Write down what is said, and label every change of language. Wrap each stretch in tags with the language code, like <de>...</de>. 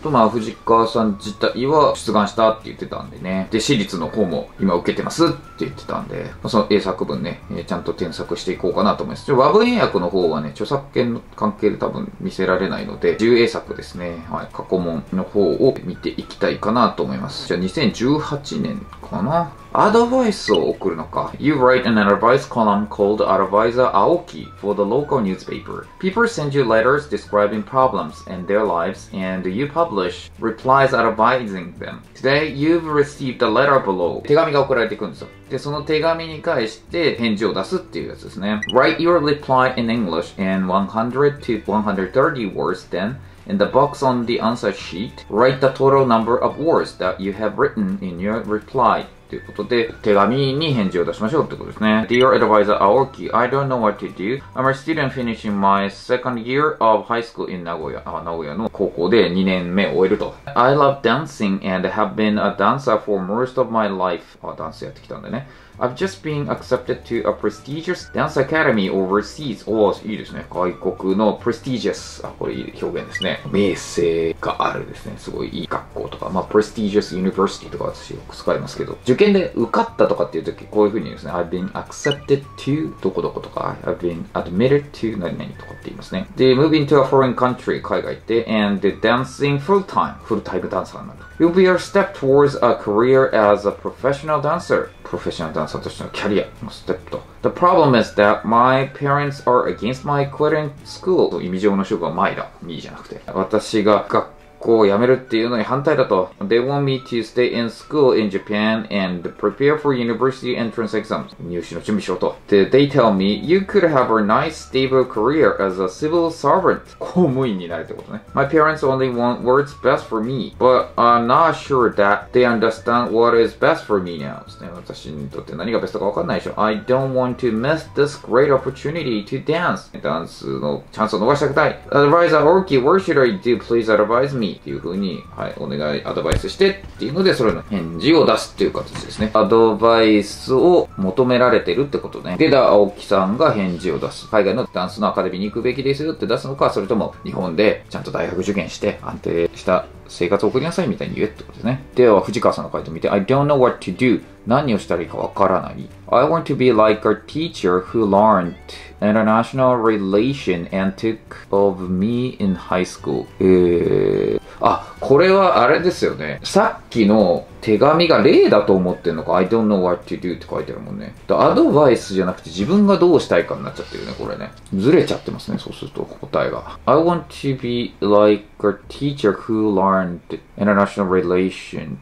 <ja>とまあ藤川さん自体は出願したって言ってたんでね、で私立の方も今受けてますって言ってたんで、その英作文ね、ちゃんと添削していこうかなと思います。和文英訳の方はね、著作権の関係で多分見せられないので、自由英作ですね。はい、過去問の方を見ていきたいかなと思います。じゃあ2018年かな、アドバイスを送るのか。</ja> <en>You write an advice column called Advisor Aoki for the local newspaper. People send you letters describing problems and their lives, and you publish replies advising them. Today, you've received a letter below.</en> <ja>手紙が送られてくるんですよ。で、その手紙に返して返事を出すっていうやつですね。</ja> <en>Write your reply in English in 100 to 130 words then. In the box on the answer sheet, write the total number of words that you have written in your reply.</en> <ja>ということで、手紙に返事を出しましょうってことですね。</ja> <en>Dear advisor Aoki, I don't know what to do. I'm a student finishing my second year of high school in Nagoya.</en> <ja>あ、名古屋の高校で2年目を終えると。</ja> <en>I love dancing and have been a dancer for most of my life.</en> <ja>あ、ダンスやってきたんだね。</ja> <en>I've just been accepted to a prestigious dance academy overseas.</en> <ja>おー、いいですね。外国の prestigious。あ、これいい表現ですね。名声があるですね。すごいいい学校とか。まあ、prestigious university とか私よく使いますけど。受験で受かったとかっていうとき、こういうふうにですね。</ja> <en>I've been accepted to</en> <ja>どこどことか。</ja> <en>I've been admitted to</en> <ja>何々とかって言いますね。</ja> <en>で、move into a foreign country</en> <ja>海外行って、</ja> <en>and dancing full time。</en> <ja>フルタイムダンサーになる。</ja> <en>You'll be a step towards a career as a professional dancer.</en> <ja>プロフェッショナルダンサーとしてのキャリアのステップと。</ja> <en>The problem is that my parents are against my quitting school.</en> <ja>意味上の職は前だ。いいじゃなくて。私が学校を辞めるっていうのに反対だと。</ja> <en>They want me to stay in school in Japan and prepare for university entrance exams.</en> <ja>入試の準備しようと。</ja> <en>で、They tell me you could have a nice stable career as a civil servant.</en> <ja>公務員になるってことね。</ja> <en>My parents only want what's best for me, but I'm not sure that they understand what is best for me now.</en> <ja>私にとって何がベストか分かんないでしょ。</ja> <en>I don't want to miss this great opportunity to dance.</en> <ja>ダンスのチャンスを逃したくない。</ja> <en>Advisor Aoki, what should I do? Please advise me.</en> <ja>っていう風に、はい、お願い、アドバイスしてっていうので、それの返事を出すっていう形ですね。アドバイスを求められてるってことね。で、青木さんが返事を出す。海外のダンスのアカデミーに行くべきですよって出すのか、それとも日本でちゃんと大学受験して安定した生活を送りなさいみたいに言えってことですね。では、藤川さんの回答見て、</ja> <en>I don't know what to do.</en> <ja>何をしたらいいかわからない。</ja> <en>I want to be like a teacher who learned international relation and took of me in high school.</en> <ja>あ、これはあれですよね。さっきの手紙が例だと思ってんのか、</ja> <en>I don't know what to do</en> <ja>って書いてるもんね。アドバイスじゃなくて自分がどうしたいかになっちゃってるね、これね。ずれちゃってますね、そうすると答えが。</ja> <en>I want to be like a teacher who learned international relation.</en>